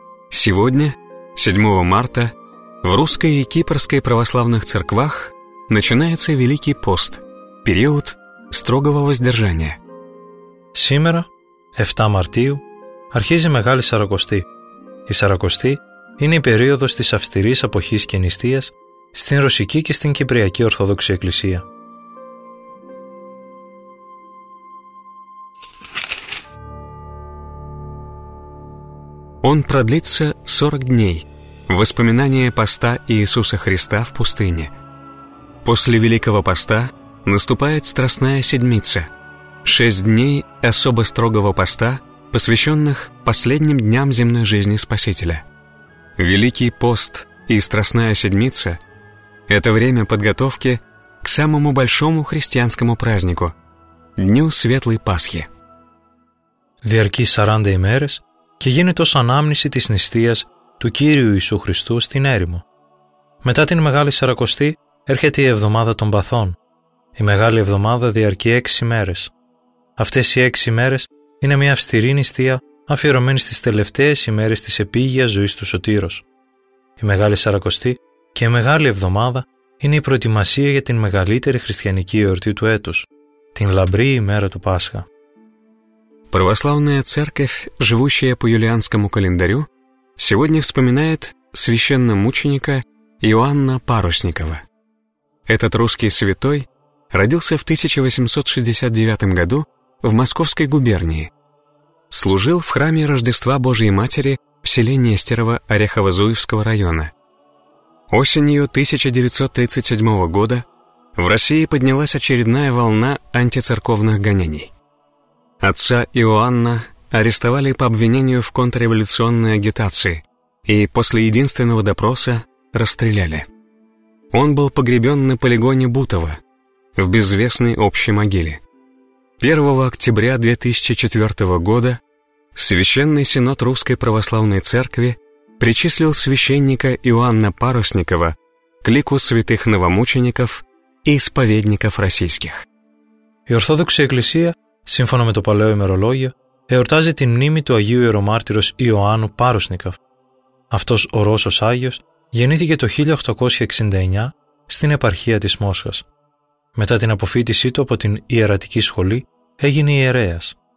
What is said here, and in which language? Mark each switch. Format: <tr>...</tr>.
<ru>Сегодня, 7 марта, в русской и кипрской православных церквах начинается Великий пост, период строгого воздержания. Сегодня, 7 мартию,</ru> <el>αρχίζει Μεγάλη Σαρακοστή. Η Σαρακοστή είναι η περίοδος της αυστηρής αποχής και νηστείας στην Ρωσική και στην Κυπριακή Ορθόδοξη Εκκλησία.</el> <ru>Он продлится 40 дней. Воспоминание поста Иисуса Христа в пустыне. После Великого поста наступает Страстная Седмица. 6 дней особо строгого поста, посвященных последним дням земной жизни Спасителя. Великий пост и Страстная Седмица — это время подготовки к самому большому христианскому празднику — Дню Светлой Пасхи.</ru> <el>Διαρκεί 40 ημέρες και γίνεται ως ανάμνηση της νηστείας του Κύριου Ιησού Χριστού στην έρημο. Μετά την Μεγάλη Σαρακοστή έρχεται η Εβδομάδα των Παθών. Η Μεγάλη Εβδομάδα διαρκεί 6 ημέρες. Αυτές οι 6 ημέρες είναι μια αυστηρή νηστεία αφιερωμένη στις τελευταίες ημέρες της επίγειας ζωής του Σωτήρος. Η Μεγάλη Σαρακοστή και η Μεγάλη Εβδομάδα είναι η προετοιμασία για την μεγαλύτερη χριστιανική εορτή του έτους, την λαμπρή ημέρα του Πάσχα.</el> <ru>Православная церковь, живущая по юлианскому календарю, сегодня вспоминает священномученика Иоанна Парусникова. Этот русский святой родился в 1869 году в Московской губернии. Служил в храме Рождества Божией Матери в селе Нестерово Орехово-Зуевского района. Осенью 1937 года в России поднялась очередная волна антицерковных гонений. Отца Иоанна арестовали по обвинению в контрреволюционной агитации и после единственного допроса расстреляли. Он был погребен на полигоне Бутово в безвестной общей могиле. 1 октября 2004 года Священный Синод Русской Православной Церкви причислил священника Иоанна Парусникова к лику святых новомучеников и исповедников российских.</ru> <el>Η Ορθόδοξη Εκκλησία, σύμφωνα με το παλαιό ημερολόγιο, εορτάζει την μνήμη του Αγίου Ιερομάρτυρος Ιωάννου Πάρουσνικοφ. Αυτός ο Ρώσος Άγιος γεννήθηκε το 1869 στην επαρχία της Μόσχας. Μετά την αποφύτισή του από την ιερατική σχολή, έγινε ιερέας.</el>